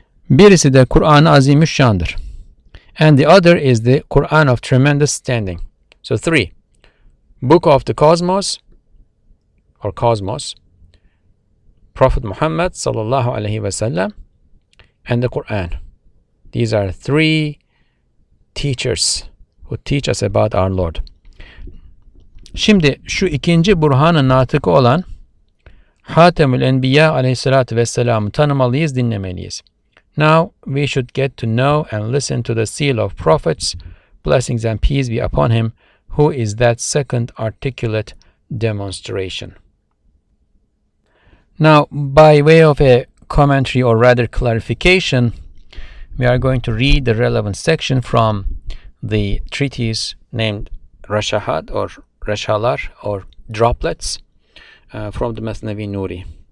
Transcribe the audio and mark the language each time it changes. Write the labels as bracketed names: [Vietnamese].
[Turkish] Birisi de Kur'an-ı Azimüşşan'dır. [English] And the other is the Quran of tremendous standing. So three, Book of the Cosmos, or Cosmos, Prophet Muhammad [Arabic] sallallahu alaihi wasallam, [English] and the Quran. These are three teachers who teach us about our Lord. [Turkish] Şimdi şu ikinci burhanın natıkı olan Hatemül Enbiya aleyhissalatü vesselam'ı tanımalıyız, dinlemeliyiz. [English] Now we should get to know and listen to the seal of prophets, blessings and peace be upon him, who is that second articulate demonstration. Now, by way of a commentary or rather clarification, we are going to read the relevant section from the treatise named Rashahat or Rashalar or Droplets from the Mesnevi Nuri.